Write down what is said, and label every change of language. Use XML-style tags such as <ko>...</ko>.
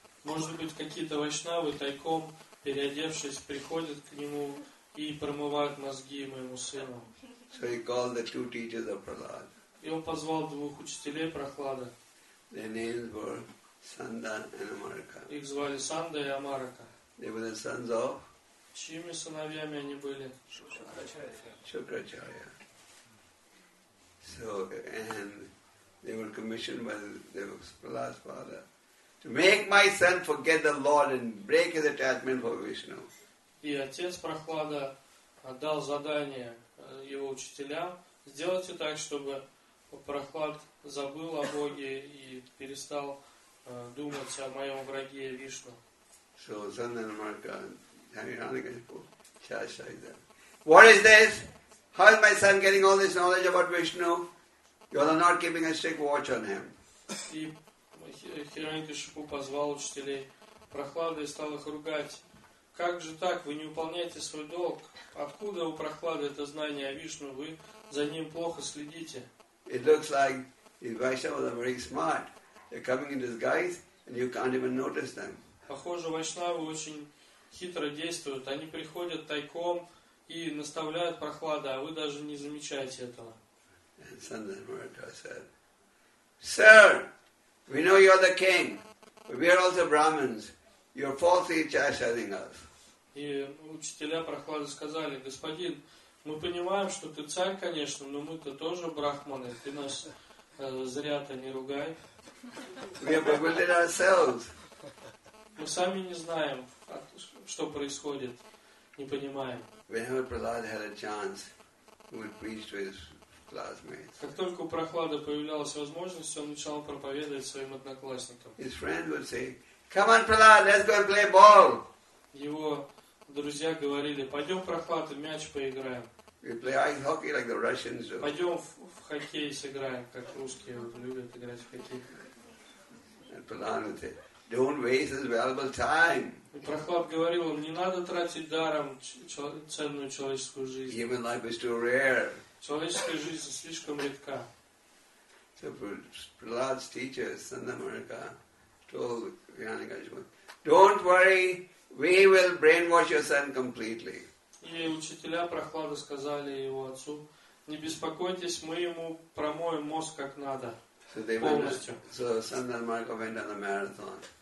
<ru>Может быть, какие-то Вайшнавы тайком переодевшись приходят к нему и промывают мозги моему сыну?</ru> <en>So he called the two teachers of Prahlad.</en> <ru>И он позвал двух учителей Прохлада.</ru> <en>Their names were Sanda and Amarika.</en> <ru>Их звали Санда и Амарика.</ru> <en>They were the sons of.</en> <ru>Чьими сыновьями они были? Шукрачарья.</ru> <en>So and they were commissioned by the Prahlad's father to make my son forget the Lord and break his attachment for Vishnu.</en> <ru>И отец Прохлада отдал задание его учителям сделайте так, чтобы Прохлад забыл о Боге и перестал думать о моем враге Вишну.</ru> <en>So Sandanamarka, Hanumanika, Chashaida. What is this? How is my son getting all this knowledge about Vishnu? You are not keeping a strict watch on him.</en> <ru>И Хиранькашипу позвал учителей Прохлады и стал их ругать. Как же так? Вы не выполняете свой долг. Откуда у Прохлады это знание о Вишну? Вы за ним плохо следите.</ru> <en>It looks like these Vaishnavas are very smart. They're coming in disguise and you can't even notice them.</en> <ru>Похоже, Вайшнавы очень хитро действуют. Они приходят тайком и наставляют Прохлады, а вы даже не замечаете этого.</ru> <en>And Sandhya Murata said, Sir, we know you're the king, but we are also Brahmins. You're falsely chastising us.</en> <ru>И учителя Прохлады сказали, Господин, мы понимаем, что ты царь, конечно, но мы-то тоже брахманы, ты нас зря-то не ругай.</ru> <en>We have bewildered ourselves.</en> <ru>Мы сами не знаем, что происходит, не понимаем.</ru> <en>Whenever Prahlad had a chance, he would preach to his classmates.</en> <ru>Как только у Прохлады появлялась возможность, он начал проповедовать своим одноклассникам.</ru> <en>His friend would say, Come on, Prahlad, let's go and play ball.</en> <ru>Его друзья говорили, пойдем, Прохлад, в мяч поиграем.</ru> <en>We play ice hockey like the Russians do.</en> <ru>Пойдем в хоккей сыграем, как русские вот, любят играть в хоккей.</ru> <en>And Prahlad would say, don't waste his valuable time.</en> <ru>И Прохлад говорил им, не надо тратить даром ценную человеческую жизнь.</ru> <en>Human life is too rare.</en> <ru>Человеческая жизнь слишком редка.</ru> <en>So Prahlad's teacher, Sanda Marika, told Don't worry, we will brainwash your son completely.</en> <ru>И учителя Прохлады сказали его отцу, не беспокойтесь, мы ему промоем мозг как надо, полностью.</ru> <en>So Sanda and Amarika went on a marathon.</en>